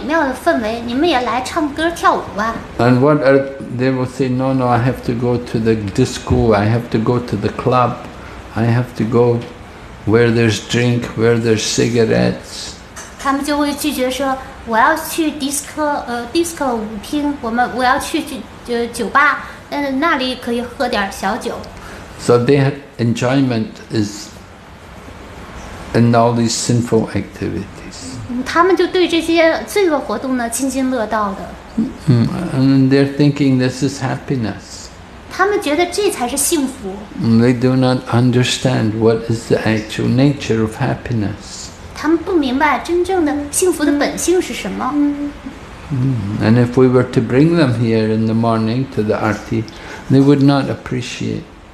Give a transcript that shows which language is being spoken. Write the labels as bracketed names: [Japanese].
[Chinese] 倘若我们劝说人们，在庙宇里有非常美妙的氛围，你们也来唱歌跳舞吧。 [English] And what are, they will say, no, I have to go to the disco, I have to go to the club, I have to go where there's drink, where there's cigarettes. [Chinese] 他们就会拒绝说，我要去迪斯科舞厅，我要去酒吧，那里可以喝点小酒。 [English] So their enjoyment is in all these sinful activities. [Chinese] 他们就对这些罪恶活动呢津津乐道的。 [English] And they're thinking this is happiness. [Chinese] 他们觉得这才是幸福。 [English] They do not understand what is the actual nature of happiness. [Chinese] 他们不明白真正的幸福的本性是什么。 [English] And if we were to bring them here in the morning to the arti, they would not appreciate.